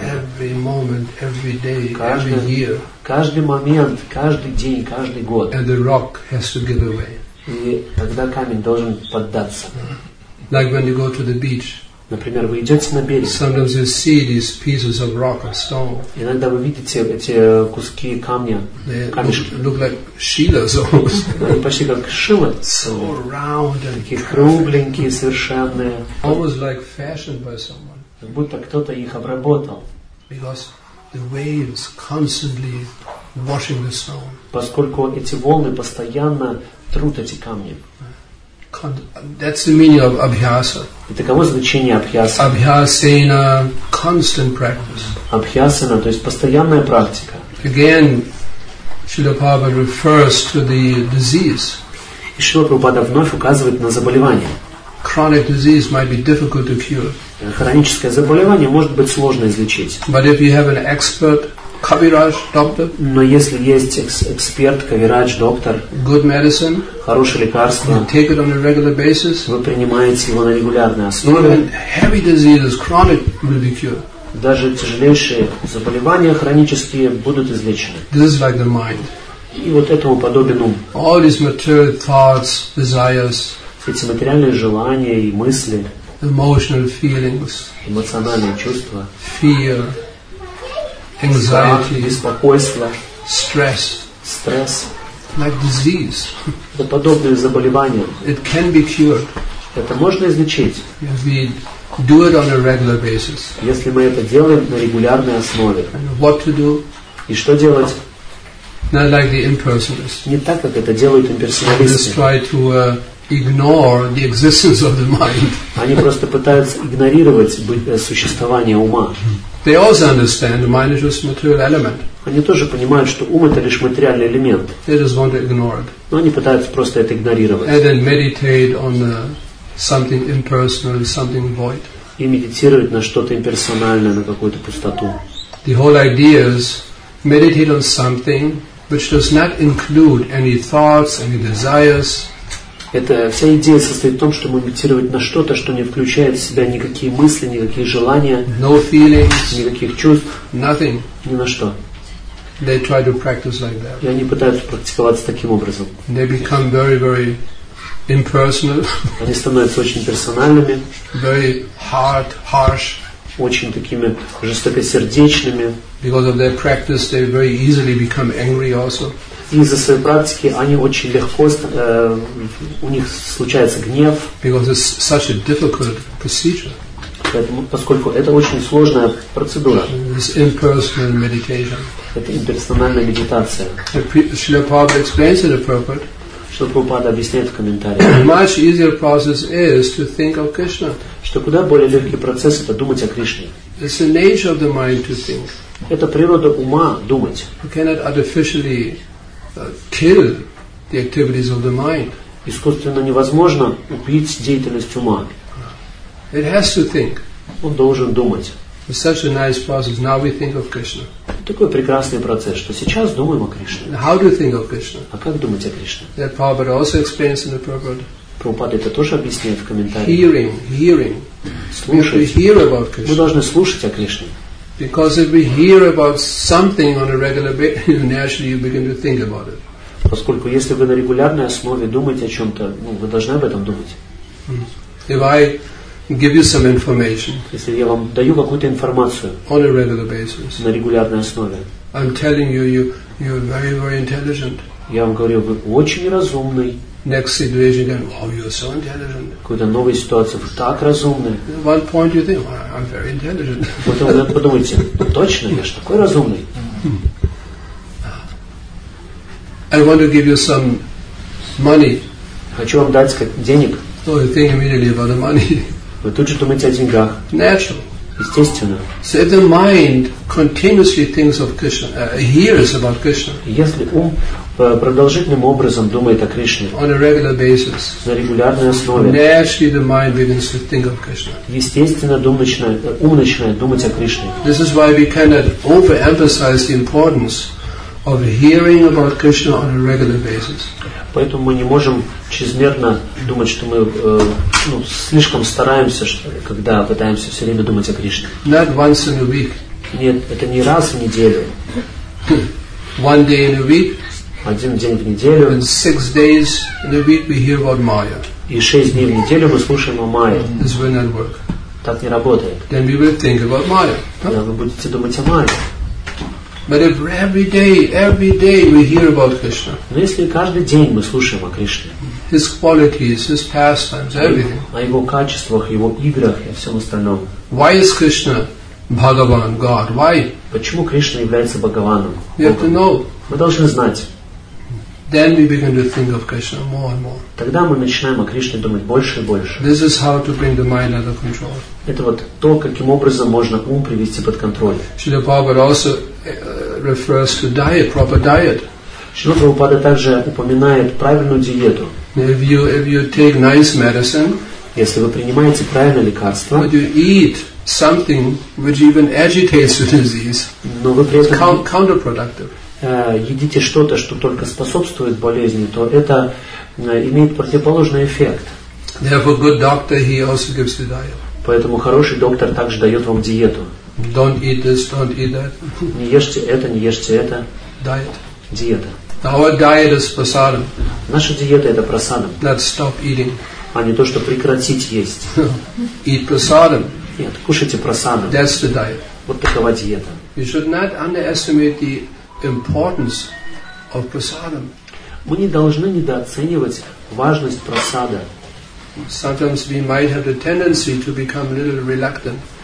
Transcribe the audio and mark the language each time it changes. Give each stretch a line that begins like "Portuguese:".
English: every moment, every day, every year,
Russian: каждый момент, каждый день, каждый год,
English: and the rock has to give away.
Russian: И тогда камень должен поддаться.
English: Like when you go to the beach.
Russian: Например, вы идете на берег.
English: Sometimes you see these pieces of rock or stone.
Russian: Иногда вы видите эти куски камня.
English: They look like shilas almost.
Russian: Они почти как шила.
English: So round and
Russian: такие кругленькие, совершенные.
English: Almost like fashioned by someone.
Russian: Как будто кто-то их обработал.
English: Because the waves constantly washing the stone.
Russian: Поскольку эти волны постоянно трут эти камни.
English: That's the meaning of abhyasa.
Russian: И таково значение абхьяса.
English: Abhyasena, constant practice.
Russian: Абхьясена, то есть постоянная практика.
English: Again, Śrīla Prabhupāda refers to the disease.
Russian: И Śrīla Prabhupāda вновь указывает на заболевание.
English: Chronic disease might be difficult to cure.
Russian: Хроническое заболевание может быть сложно излечить.
English: But if you have an expert Kaviraj doctor,
Russian: но если есть эксперт, кавирадж, доктор,
English: good medicine,
Russian: хорошее лекарство,
English: you take it on a regular basis,
Russian: вы принимаете его на регулярной основе,
English: heavy diseases, chronic will be cured.
Russian: Даже тяжелейшие заболевания хронические будут излечены.
English: This is like the mind.
Russian: И вот этому подобен ум.
English: All these material thoughts, desires,
Russian: эти материальные желания и мысли,
English: emotional feelings,
Russian: эмоциональные чувства,
English: fear, anxiety,
Russian: беспокойство,
English: stress, like disease,
Russian: это подобные заболевания.
English: It can be cured.
Russian: Это можно излечить.
English: If we do it on a regular basis.
Russian: Если мы это делаем на регулярной основе.
English: And what to do?
Russian: И что делать?
English: Not like the impersonalists.
Russian: Не так, как это делают имперсоналисты.
English: Just try to ignore the existence of the mind.
Russian: Они просто пытаются игнорировать существование ума.
English: They also understand the mind is just a material element.
Russian: Они тоже понимают, что ум это лишь материальный элемент.
English: They just want to ignore it.
Russian: Но они пытаются просто это игнорировать.
English: And then meditate on something impersonal, something void.
Russian: И медитировать на что-то имперсональное, на какую-то пустоту.
English: The whole idea is meditate on something which does not include any thoughts, any desires.
Russian: Это вся идея состоит в том, что медитировать на что-то, что не включает в себя никакие мысли, никакие желания,
English: no feelings,
Russian: никаких чувств,
English: nothing.
Russian: Ни на что.
English: They try to practice like that.
Russian: И они пытаются практиковаться таким образом.
English: They become very, very impersonal.
Russian: Они становятся очень персональными,
English: very hard, harsh,
Russian: очень такими жестокосердечными.
English: Because of their practice, they very easily become angry also.
Russian: Из-за своей практики они очень легко, у них случается гнев.
English: Because it's such a difficult procedure.
Russian: Поэтому, поскольку это очень сложная процедура.
English: This impersonal meditation.
Russian: Это имперсональная медитация.
English: Śrīla Prabhupāda explains it appropriately.
Russian: Śrīla Prabhupāda объясняет в комментариях.
English: Much easier process is to think of Krishna.
Russian: Что куда более легкий процесс это думать о Кришне.
English: It's the nature of the mind to think.
Russian: Это природа ума думать.
English: You cannot artificially kill the activities of the mind.
Russian: Искусственно невозможно убить деятельность ума.
English: It has to think.
Russian: Он должен думать.
English: It's such a nice process. Now we think of Krishna.
Russian: Такой прекрасный процесс, что сейчас думаем о Кришне.
English: How do you think of Krishna?
Russian: А как думать о Кришне?
English: That Prabhupada also explains in the Prabhupada.
Russian: Прабхупада это тоже объясняет в комментариях.
English: Hearing.
Russian: Слушать.
English: We hear about Krishna.
Russian: Мы должны слушать о Кришне.
English: Because if we hear about something on a regular basis, naturally you begin to think about it.
Russian: Поскольку если вы на регулярной основе думаете о чем-то, ну, вы должны об этом думать.
English: If I give you some information,
Russian: если я вам даю какую-то информацию,
English: on a regular basis,
Russian: на регулярной основе,
English: I'm telling you, you're very, very intelligent.
Russian: Я вам говорю, вы очень разумный.
English: Next situation again, oh, you're so intelligent.
Russian: Какая-то новая ситуация, вы так разумны.
English: At one point you think, well, I'm very intelligent.
Russian: Потом вы подумаете, точно, я же такой разумный.
English: I want to give you some money.
Russian: Хочу вам дать денег.
English: So you think immediately about the money.
Russian: Вы тут же думаете о деньгах.
English: Natural.
Russian: Естественно.
English: So if the mind continuously thinks of Krishna, hears about Krishna.
Russian: Если ум продолжительным образом думает о Кришне.
English: On a regular basis.
Russian: На регулярной основе.
English: Naturally the mind begins to think of Krishna.
Russian: Естественно, ум начинает думать о Кришне.
English: This is why we cannot overemphasize the importance of hearing about Krishna on a regular basis.
Russian: Поэтому мы не можем чрезмерно думать, что мы слишком стараемся, что, когда пытаемся все время думать о Кришне.
English: Not once in a week.
Russian: Нет, это не раз в неделю.
English: One day in a week.
Russian: Один день в неделю.
English: And 6 days in a week we hear about Maya.
Russian: И 6 дней в неделю мы слушаем о Майе.
English: This will not work.
Russian: Так не работает.
English: Then we will think about Maya.
Russian: Да, вы будете думать о Майе.
English: But if every day we hear about Krishna.
Russian: Но если каждый день мы слушаем о Кришне.
English: His qualities, his pastimes, everything.
Russian: О его качествах, его играх и всем остальном.
English: Why is Krishna Bhagavan, God? Why?
Russian: Почему Кришна является Бхагаваном?
English: We have to know.
Russian: Мы должны знать.
English: then we begin to think of Krishna more and more.
Russian: Тогда мы начинаем о Кришне думать больше и больше.
English: This is how to bring the mind under control.
Russian: Это вот то, каким образом можно ум привести под контроль.
English: Srila Prabhupada also refers to diet, proper diet.
Russian: Srila Prabhupada также упоминает правильную диету.
English: If you take nice medicine,
Russian: если вы принимаете правильное лекарство,
English: but you eat something which even agitates the disease,
Russian: но вы при этом
English: counterproductive.
Russian: Едите что-то, что только способствует болезни, то это имеет противоположный эффект.
English: Therefore, good doctor, he also gives the diet.
Russian: Поэтому хороший доктор также дает вам диету.
English: Don't eat this, don't eat that.
Russian: Не ешьте это, не ешьте это.
English: Diet.
Russian: Диета.
English: Our diet is prasadam.
Russian: Наша диета это прасадам.
English: Not stop eating.
Russian: А не то, что прекратить есть.
English: Eat prasadam.
Russian: Нет, кушайте прасадам.
English: That's the diet.
Russian: Вот такова диета.
English: You should not underestimate the importance of prasadam.
Russian: Мы не должны недооценивать важность прасада.
English: Sometimes we might have the tendency to become a little reluctant.